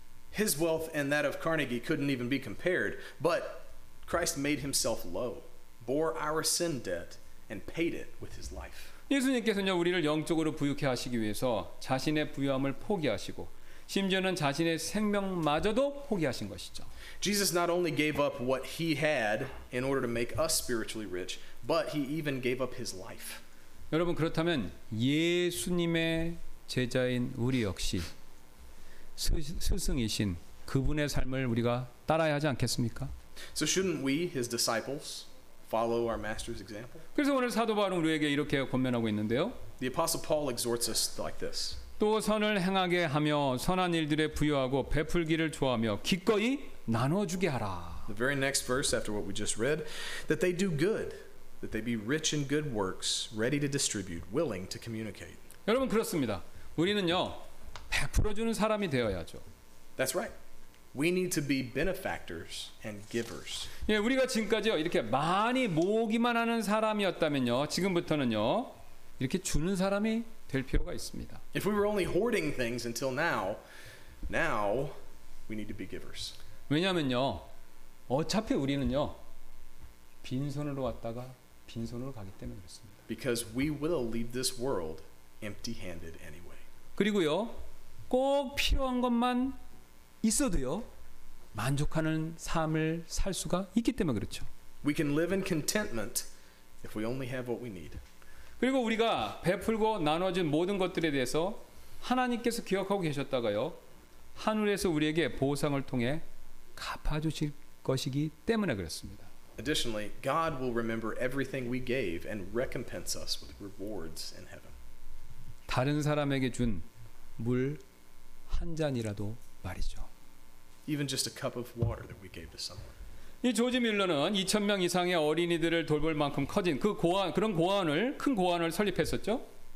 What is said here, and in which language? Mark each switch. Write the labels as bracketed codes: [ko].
[en] His wealth and that of Carnegie couldn't even be compared, but Christ made himself low. Bore our sin debt and paid it with his life. [ko] 예수님께서는요 우리를 영적으로 부유케 하시기 위해서 자신의 부유함을 포기하시고 심지어는 자신의 생명마저도 포기하신 것이죠. [en] Jesus not only gave up what he had in order to make us spiritually rich, but he even gave up his life. [ko] 여러분 그렇다면 예수님의 제자인 우리 역시 스승이신 그분의 삶을 우리가 따라야 하지 않겠습니까? [en] So shouldn't we, his disciples, follow our master's example? [ko] 그래서 오늘 사도 바울은 우리에게 이렇게 권면하고 있는데요. [en] The apostle Paul exhorts us like this. [ko] 또 선을 행하게 하며 선한 일들에 부유하고 베풀기를 좋아하며 기꺼이 나눠 주게 하라. [en] The very next verse after what we just read, that they do good, that they be rich in good works, ready to distribute, willing to communicate. [ko] 여러분 그렇습니다. 우리는요. 베풀어 주는 사람이 되어야죠. [en] That's right. We need to be benefactors and givers. [ko] 예, 우리가 지금까지요 이렇게 많이 모으기만 하는 사람이었다면요 지금부터는요 이렇게 주는 사람이 될 필요가 있습니다. [en] If we were only hoarding things until now, now we need to be givers. [ko] 왜냐하면요 어차피 우리는요 빈손으로 왔다가 빈손으로 가기 때문에 그렇습니다. [en] Because we will leave this world empty-handed anyway. [ko] 그리고요 꼭 필요한 것만 있어도요 만족하는 삶을 살 수가 있기 때문에 그렇죠. [en] We can live in contentment if we only have what we need. [ko] 그리고 우리가 베풀고 나눠준 모든 것들에 대해서 하나님께서 기억하고 계셨다가요 하늘에서 우리에게 보상을 통해 갚아주실 것이기 때문에 그렇습니다. [en] Additionally, God will remember everything we gave and recompense us with rewards in heaven. [ko] 다른 사람에게 준 물 한 잔이라도 말이죠. [en] Even just a cup of water that we gave to someone. [ko] 이 조지 밀러는 2,000명 이상의 어린이들을 돌볼 만큼 커진 그 고아원 그런 고아원을 큰 고아원을 설립했었죠.